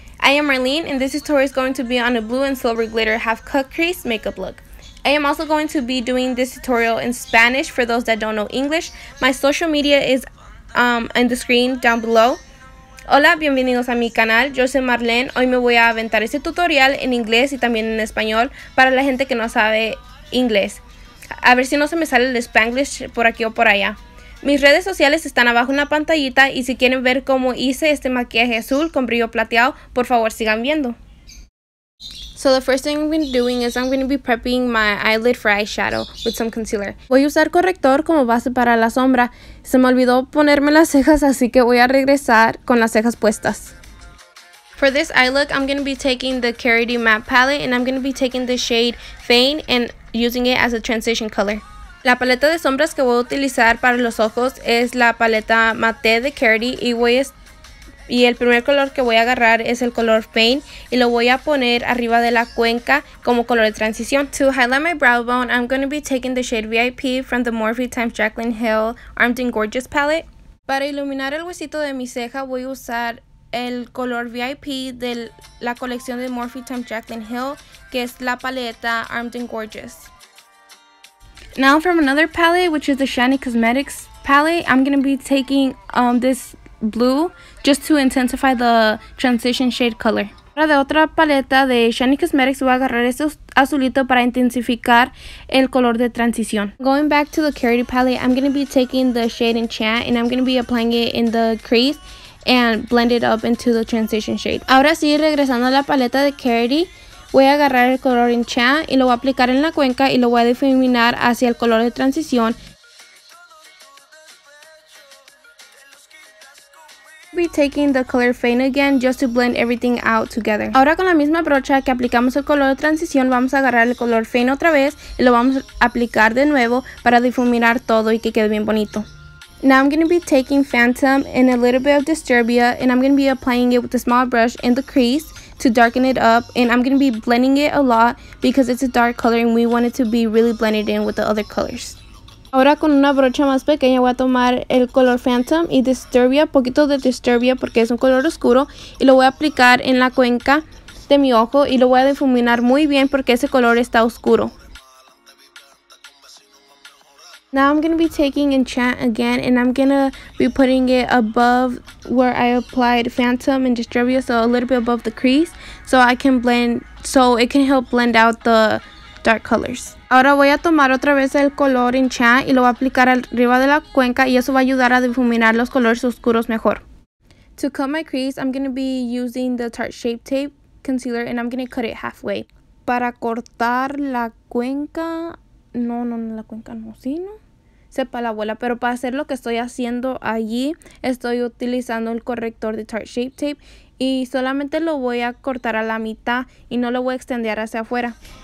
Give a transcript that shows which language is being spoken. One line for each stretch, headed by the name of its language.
English: I am Marlene and this tutorial is going to be on a blue and silver glitter half cut crease makeup look. I am also going to be doing this tutorial in Spanish for those that don't know English. My social media is on the screen down below.
Spanish: Hola, bienvenidos a mi canal. Yo soy Marlene. Hoy me voy a aventar este tutorial en inglés y también en español para la gente que no sabe inglés. A ver si no se me sale el Spanglish por aquí o por allá. Mis redes sociales están abajo en la pantallita y si quieren ver cómo hice este maquillaje azul con brillo plateado, por favor sigan viendo.
English: So the first thing I'm going to be doing is I'm going to be prepping my eyelid for eyeshadow with some concealer.
Spanish: Voy a usar corrector como base para la sombra. Se me olvidó ponerme las cejas, así que voy a regresar con las cejas puestas.
English: For this eye look, I'm going to be taking the Karity matte palette and I'm going to be taking the shade Fane and using it as a transition color.
Spanish: La paleta de sombras que voy a utilizar para los ojos es la paleta Matte de Karity y el primer color que voy a agarrar es el color Fane y lo voy a poner arriba de la cuenca como color de transición.
English: To highlight my brow bone, I'm going to be taking the shade VIP from the Morphe x Jaclyn Hill Armed and Gorgeous palette.
Spanish: Para iluminar el huesito de mi ceja voy a usar el color VIP de la colección de Morphe x Jaclyn Hill, que es la paleta Armed and Gorgeous.
English: Now from another palette, which is the Shany Cosmetics palette, I'm going to be taking this blue just to intensify the transition shade color.
Spanish: Ahora de otra paleta de Shany Cosmetics voy a agarrar este azulito para intensificar el color de transición.
English: Going back to the Karity palette, I'm going to be taking the shade Enchant and I'm going to be applying it in the crease and blend it up into the transition shade.
Spanish: Ahora sí, regresando a la paleta de Karity, voy a agarrar el color Enchant y lo voy a aplicar en la cuenca y lo voy a difuminar hacia el color de transición.
English: Be taking the color Fane again just to blend everything out together.
Spanish: Ahora con la misma brocha que aplicamos el color de transición, vamos a agarrar el color Fane otra vez y lo vamos a aplicar de nuevo para difuminar todo y que quede bien bonito.
English: Now I'm going to be taking Phantom and a little bit of Disturbia and I'm going to be applying it with a small brush in the crease to darken it up, and I'm going to be blending it a lot because it's a dark color and we want it to be really blended in with the other colors.
Spanish: Ahora con una brocha más pequeña voy a tomar el color Phantom y Disturbia, poquito de Disturbia porque es un color oscuro, y lo voy a aplicar en la cuenca de mi ojo y lo voy a difuminar muy bien porque ese color está oscuro.
English: Now I'm going to be taking Enchant again and I'm going to be putting it above where I applied Phantom and Disturbia, so a little bit above the crease so it can help blend out the dark colors.
Spanish: Ahora voy a tomar otra vez el color Enchant y lo voy a aplicar arriba de la cuenca y eso va a ayudar a difuminar los colores oscuros mejor.
English: To cut my crease, I'm going to be using the Tarte Shape Tape concealer and I'm going to cut it halfway.
Spanish: Para cortar la cuenca... Sepa la abuela, pero para hacer lo que estoy haciendo allí, estoy utilizando el corrector de Tarte Shape Tape y solamente lo voy a cortar a la mitad y no lo voy a extender hacia afuera.